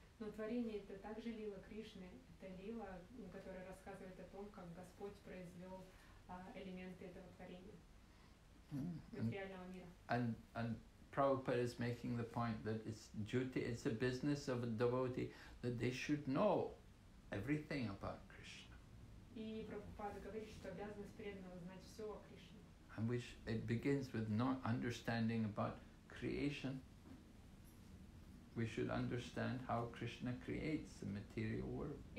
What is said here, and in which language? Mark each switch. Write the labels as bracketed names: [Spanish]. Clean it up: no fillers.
[Russian] Но творение это также лила Кришны, это лила, которая рассказывает о том, как Господь произвел элементы этого творения материального мира. [English] And Prabhupada is making the point that it's duty, it's a business of a devotee that they should know everything about Krishna. [Russian] И Прабхупада говорит, что обязанность преданного знать все о Кришне. [English] And which it begins with not understanding about creation. We should understand how Krishna creates the material world.